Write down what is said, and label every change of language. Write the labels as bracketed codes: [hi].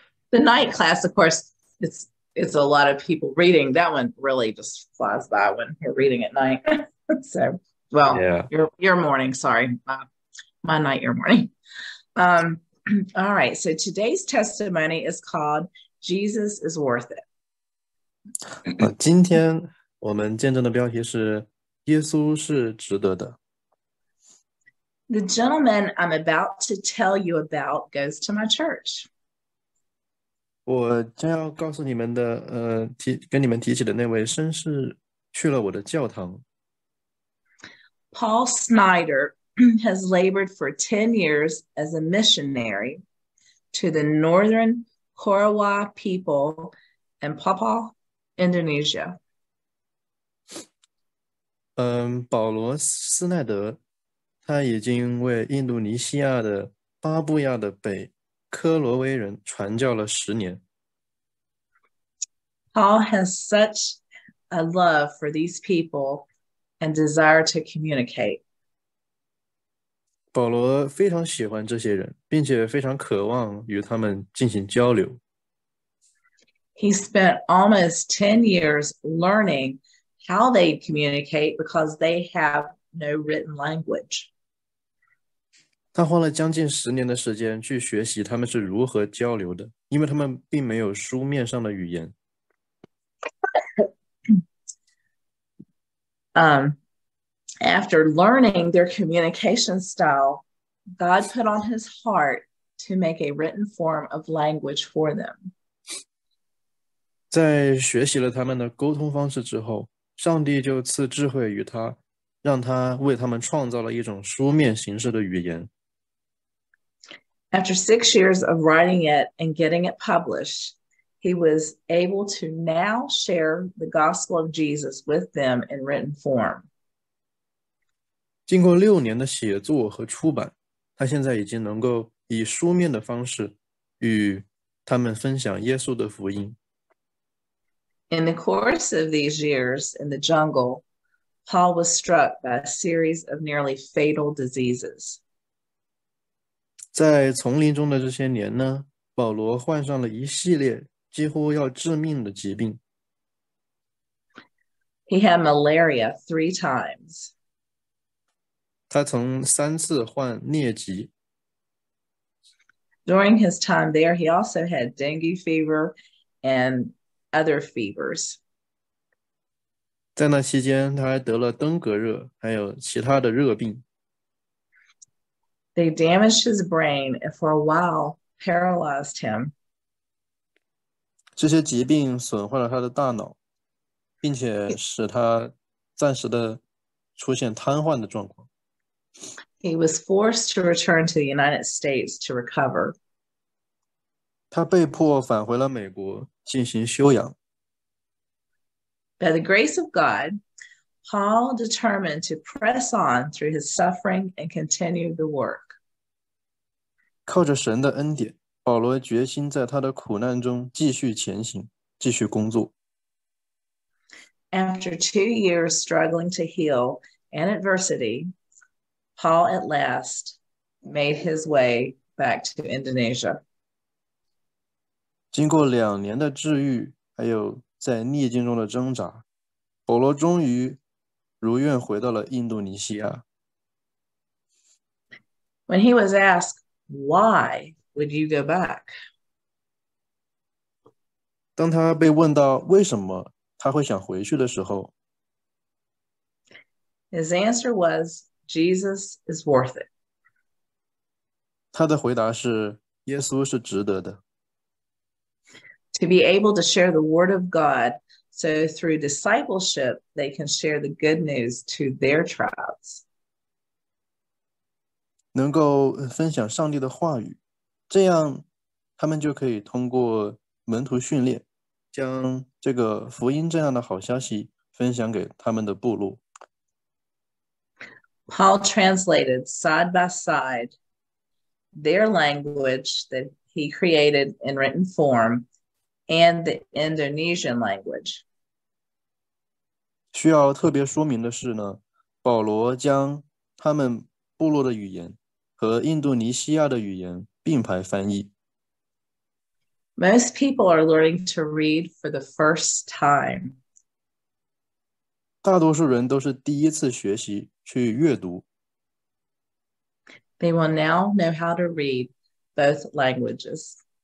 [en] The night class, of course, it's a lot of people reading. That one really just flies by when you're reading at night. So, well, yeah. your morning, sorry. My night, your morning. All right. So today's testimony is called Jesus is Worth It. [zh] 今天我们见证的标题是耶稣是值得的。 [en] The gentleman I'm about to tell you about goes to my church. [zh] 我将要告诉你们的，跟你们提起的那位绅士去了我的教堂。 [en] Paul Snyder has labored for 10 years as a missionary to the northern Korowa people in Papua, Indonesia. [zh] 保罗·斯奈德他已经为印度尼西亚的巴布亚的北科罗威人传教了十年。 [en] Paul has such a love for these people and desire to communicate. [zh] 保罗非常喜欢这些人，并且非常渴望与他们进行交流。 [en] He spent almost 10 years learning how they communicate because they have no written language. [zh] 他花了将近十年的时间去学习他们是如何交流的，因为他们并没有书面上的语言。 [en] After learning their communication style, God put on his heart to make a written form of language for them. [zh] 在学习了他们的沟通方式之后，上帝就赐智慧于他，让他为他们创造了一种书面形式的语言。 [en] After 6 years of writing it and getting it published, he was able to now share the gospel of Jesus with them in written form. [zh] 经过六年的写作和出版，他现在已经能够以书面的方式与他们分享耶稣的福音。 [en] In the course of these years in the jungle, Paul was struck by a series of nearly fatal diseases. [zh] 在丛林中的这些年呢，保罗患上了一系列几乎要致命的疾病。 [en] He had malaria 3 times. [zh] 他曾三次患疟疾。 [en] During his time there, he also had dengue fever and other fevers. [zh] 在那期间，他还得了登革热，还有其他的热病。 [en] They damaged his brain and for a while paralyzed him. [zh] 这些疾病损坏了他的大脑，并且使他暂时的出现瘫痪的状况。 [en] He was forced to return to the United States to recover. [zh] 他被迫返回了美国进行休养。 [en] By the grace of God, Paul determined to press on through his suffering and continue the work. [zh] 靠着神的恩典，保罗决心在他的苦难中继续前行，继续工作。 [en] After 2 years struggling to heal and adversity, Paul at last made his way back to Indonesia. [zh] 经过两年的治愈，还有在逆境中的挣扎，保罗终于如愿回到了印度尼西亚。 [en] When he was asked, why would you go back? [zh] 当他被问到为什么他会想回去的时候， [en] his answer was, Jesus is worth it. [zh] 他的回答是，耶稣是值得的。 [en] To be able to share the word of God, so through discipleship, they can share the good news to their tribes. [zh] 能够分享上帝的话语，这样他们就可以通过门徒训练，将这个福音这样的好消息分享给他们的部落。 [en] Paul translated side by side their language that he created in written form and the Indonesian language. [zh] 需要特别说明的是呢，保罗将他们部落的语言和印度尼西亚的语言并排翻译。 [en] Most people are learning to read for the first time. [zh] 大多数人都是第一次学习去阅读。 [en] They will now know how to read both languages.